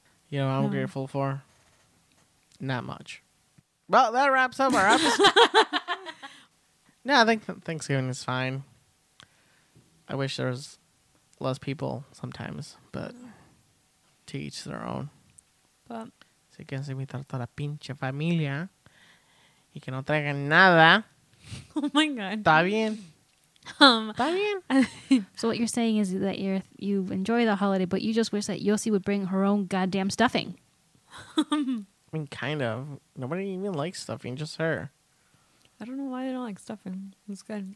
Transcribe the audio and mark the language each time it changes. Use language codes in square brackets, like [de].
[en] You know what I'm grateful for? Not much. Well, that wraps up our episode. No, I think Thanksgiving is fine. I wish there was less people sometimes, but to each their own. But [es] si quieren invitar toda la pinche familia y que no traigan nada. [en] Oh, my God. [es] Está bien. [en] So what you're saying is that you enjoy the holiday, but you just wish that Yossi would bring her own goddamn stuffing. I mean, kind of. Nobody even likes stuffing, just her. I don't know why they don't like stuffing. It's good.